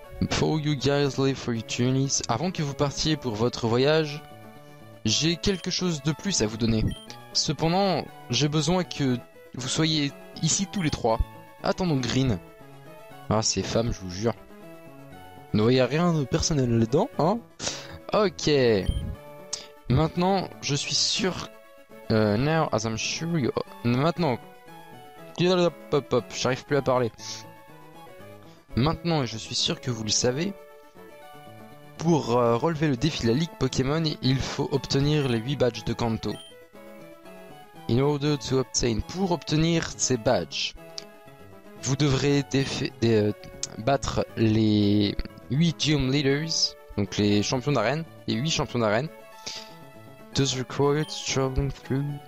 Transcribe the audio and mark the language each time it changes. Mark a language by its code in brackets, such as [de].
[en] For you guys leave for your journeys. [fr] Avant que vous partiez pour votre voyage, j'ai quelque chose de plus à vous donner. Cependant, j'ai besoin que vous soyez ici tous les trois. Attendons Green. Ah, ces femmes, je vous jure. Ne voyez rien de personnel là-dedans, hein? Ok. Maintenant, je suis sûr. [en] Now, as I'm sure you. [fr] Maintenant. J'arrive plus à parler. Maintenant, et je suis sûr que vous le savez, pour relever le défi de la Ligue Pokémon, il faut obtenir les 8 badges de Kanto. [en] In order to obtain. [fr] Pour obtenir ces badges, vous devrez battre les 8 Gym Leaders, donc les champions d'arène, les 8 champions d'arène. [en] Does require traveling through.